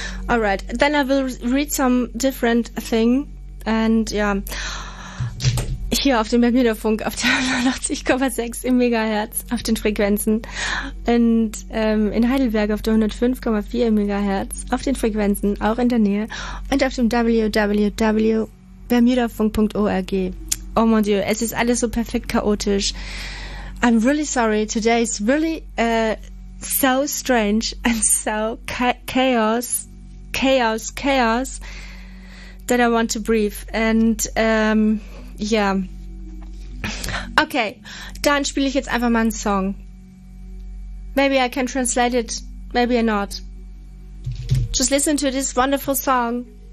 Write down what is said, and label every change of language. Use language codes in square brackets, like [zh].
[en] All right, then I will read some different thing. And yeah. [de] Hier auf dem Bermuda-Funk auf der 89,6 im Megahertz auf den Frequenzen und in Heidelberg auf der 105,4 im Megahertz auf den Frequenzen, auch in der Nähe und auf dem www.bermudafunk.org. [fr] Oh mon Dieu, [de] es ist alles so perfekt chaotisch. [en] I'm really sorry, today is really so strange and so chaos that I want to breathe and yeah. [de] Okay, dann spiele ich jetzt einfach mal einen Song. [en] Maybe I can translate it, maybe not. Just listen to this wonderful song.